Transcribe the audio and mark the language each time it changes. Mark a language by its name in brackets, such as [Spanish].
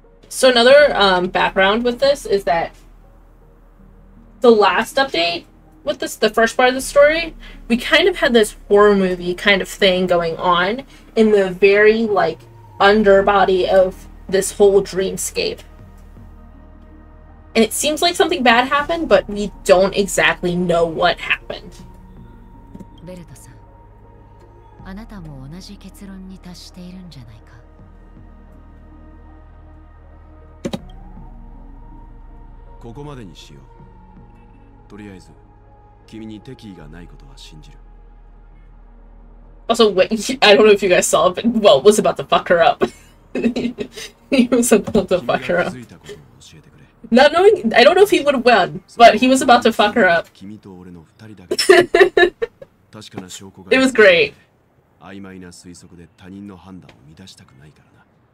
[English] So another background with this is that the last update with this, the first part of the story, we kind of had this horror movie kind of thing going on in the very, like, underbody of this whole dreamscape. And it seems like something bad happened, but we don't exactly know what happened. [Japanese] ベルト様、あなたも同じ結論に達しているんじゃないか。ここまでにしよう。とりあえず、君に敵意がないことは信じる。 [English] Also, wait, I don't know if you guys saw, but Well was about to fuck her up. He was about to fuck her up. Not knowing, I don't know if he would win, but he was about to fuck her up. It was great. It was great. [Japanese] 曖昧な推測で他人の判断を乱したくないから。